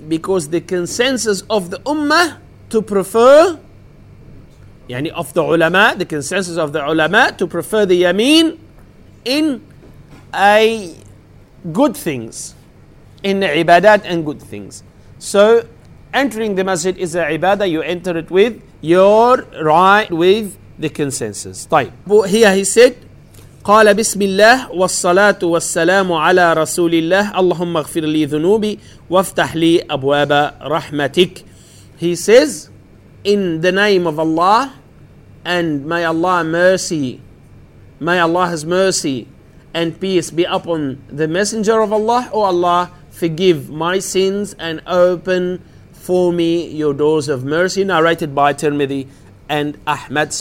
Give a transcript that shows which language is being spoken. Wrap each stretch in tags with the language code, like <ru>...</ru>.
<en>Because the consensus of the ummah to prefer, yani of the ulama, the consensus of the ulama to prefer the yameen in a good things, in ibadat and good things. So entering the masjid is a ibadah, you enter it with your right, with the consensus. طيب. Here he said,</en> <ar>قال بسم الله والصلاة والسلام على رسول الله اللهم اغفر لي ذنوبي وافتح لي أبواب رحمتك.</ar> <en>He says, in the name of Allah, and may Allah mercy, may Allah's mercy and peace be upon the Messenger of Allah, O Allah, forgive my sins and open for me your doors of mercy, narrated by Tirmidhi and Ahmad.</en>